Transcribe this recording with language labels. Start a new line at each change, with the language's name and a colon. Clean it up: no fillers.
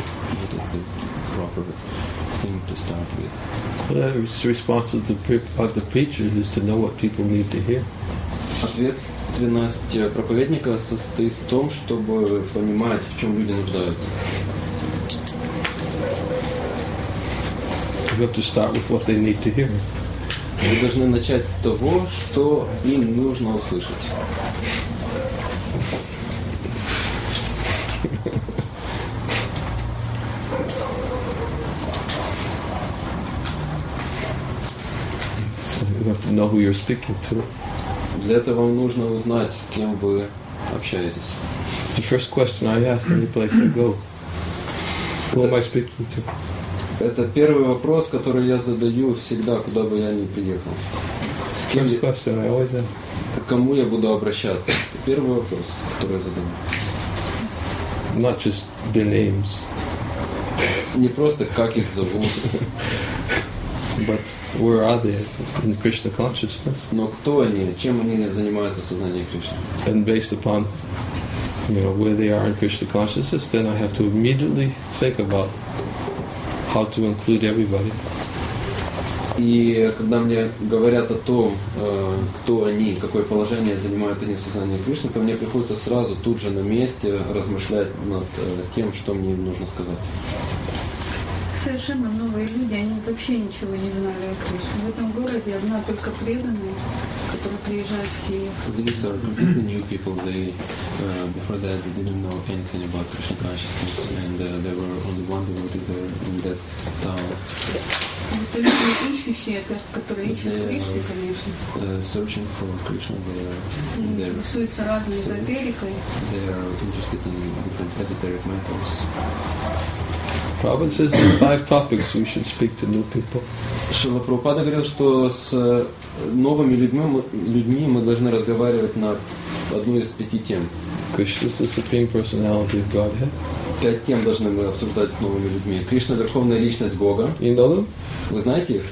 English: What is the proper thing to start with? The response of the preacher is to know what people need to hear.
Russian: Ответственность проповедника состоит в том, чтобы понимать, в чем люди нуждаются.
English: You have to start with what they need to hear.
Russian: Вы должны начать с того, что им нужно услышать.
English: So you have to know who you're speaking to.
Russian: Для этого вам нужно узнать, с кем вы общаетесь.
English: The first question I ask any place I go. Who am I speaking to?
Russian: Это первый вопрос, который я задаю всегда, куда бы я ни приехал. С кем я... К кому я буду обращаться? Это первый вопрос, который я задаю.
English: Not just their names.
Russian: Не просто как их зовут.
English: But where are they in Krishna consciousness?
Russian: Но кто они? Чем они занимаются в сознании Кришны?
English: And based upon, you know, where they are in Krishna consciousness, then I have to immediately think about how to include everybody.
Russian: И когда мне говорят о том, кто они, какое положение занимают они в сознании Кришны, то мне приходится сразу тут же на месте размышлять над тем, что мне нужно сказать. совершенно новые люди, они вообще ничего не знали о Кришне. В этом городе одна только преданная, которая приезжает в Киев.
English: These are completely new people. They before that they didn't know anything about Krishna consciousness, and there were only one devotee there in that town.
Russian: Это люди ищущие, которые ищут Кришну, конечно.
English: Searching for Krishna, they are.
Russian: Интересуются разной эзотерикой.
English: They are interested in different esoteric matters. Prabhupada says there are five topics we should speak to new people.
Russian: Шрила Прабхупада говорил, что с новыми людьми мы должны разговаривать на одну из пяти тем.
English: Krishna is the supreme personality of Godhead.
Russian: Пять тем должны мы обсуждать с новыми людьми. Кришна — верховная личность Бога.
English: You know them?
Russian: Вы знаете их?